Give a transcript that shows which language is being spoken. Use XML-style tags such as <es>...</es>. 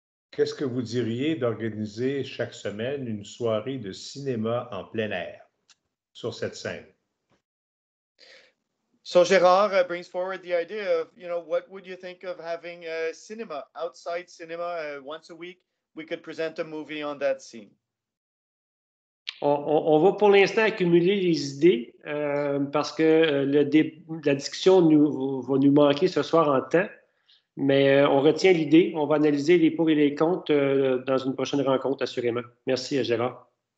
<fr>Qu'est-ce que vous diriez d'organiser chaque semaine une soirée de cinéma en plein air sur cette scène?</fr> <en>So Gérard brings forward the idea of, you know, what would you think of having a cinema, outside cinema, once a week, we could present a movie on that scene.</en> <fr>On va pour l'instant accumuler les idées parce que la discussion va nous manquer ce soir en temps, mais on retient l'idée, on va analyser les pour et les contre dans une prochaine rencontre, assurément. Merci Gérard.</fr>